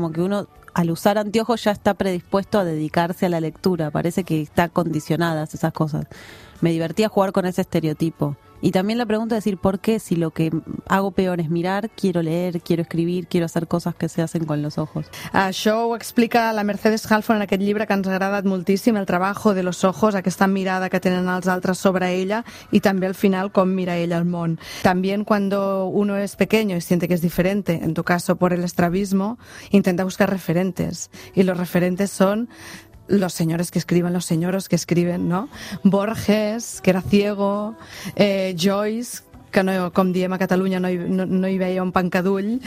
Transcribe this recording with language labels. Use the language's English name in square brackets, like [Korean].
[Spanish] Como que uno al usar anteojos ya está predispuesto a dedicarse a la lectura, parece que está condicionadas esas cosas. Me divertía jugar con ese estereotipo. Y también la pregunta es decir, ¿por qué si lo que hago peor es mirar, quiero leer, quiero escribir, quiero hacer cosas que se hacen con los ojos? [Catalan] Això ho explica la Mercedes Halfon en aquest llibre que ens ha agradat moltíssim, el treball de los ojos, aquesta mirada que tenen els altres sobre ella i també al final com mira ella el món. [Spanish] También cuando uno es pequeño y siente que es diferente, en tu caso por el estrabismo, intenta buscar referentes. Y los referentes son los señores que escriben, los señoros que escriben, ¿no? [Catalan] Borges, [Spanish] que era ciego, [Catalan] Joyce, que no, com diem a Catalunya, no hi veia un pancadull.